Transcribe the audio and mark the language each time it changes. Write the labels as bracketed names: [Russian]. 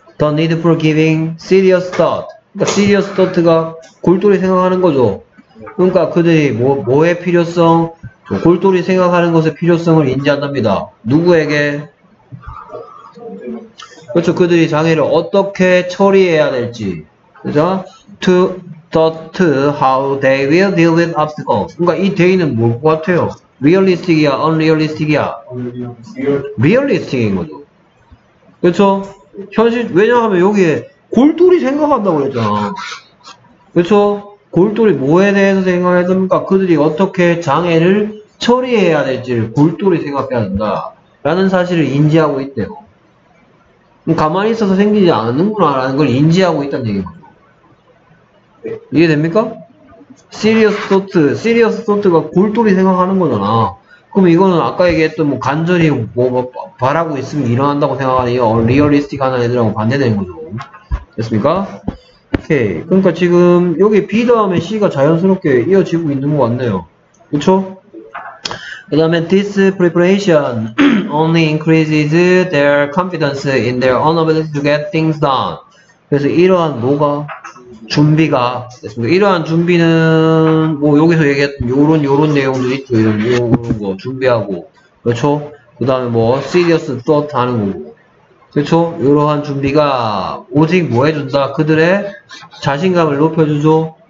[English] The need for giving serious thought. [Korean] 그러니까 serious thought가 골똘히 생각하는 거죠. 그러니까 그들이 뭐의 필요성, 골똘히 생각하는 것의 필요성을 인지한답니다. 누구에게? 그렇죠. 그들이 장애를 어떻게 처리해야 될지. 그죠? [English] To thought how they will deal with obstacles. [Korean] 그러니까 이 they는 뭘 것 같아요? realistic이야, unrealistic이야? realistic인 거죠. 그렇죠? 현실, 왜냐하면 여기에 골똘히 생각한다고 그랬잖아. 그렇죠? 골똘히 뭐에 대해서 생각해야 됩니까? 그들이 어떻게 장애를 처리해야 될지를 골똘히 생각해야 된다라는 사실을 인지하고 있대요. 가만히 있어서 생기지 않는구나라는 걸 인지하고 있다는 얘기거든요. 이해됩니까? serious thought, serious thought가 골똘히 생각하는 거잖아. 그럼 이거는 아까 얘기했던 뭐 간절히 뭐 바라고 있으면 일어난다고 생각하는 이 realistic 하는 애들하고 반대되는 거죠. 됐습니까? 오케이. 그러니까 지금 여기 B 다음에 C가 자연스럽게 이어지고 있는 것 같네요. 그쵸? 그 다음에 [English] This preparation only increases their confidence in their own ability to get things done. [Korean] 그래서 이러한 뭐가? 준비가. 됐습니까? 이러한 준비는 뭐 여기서 얘기했던 요런 내용들이 있죠. 요런 거 준비하고. 그쵸? 그 다음에 뭐 serious thought 하는 거고. 그렇죠? 이러한 준비가 오직 뭐 해준다? 그들의 자신감을 높여주죠.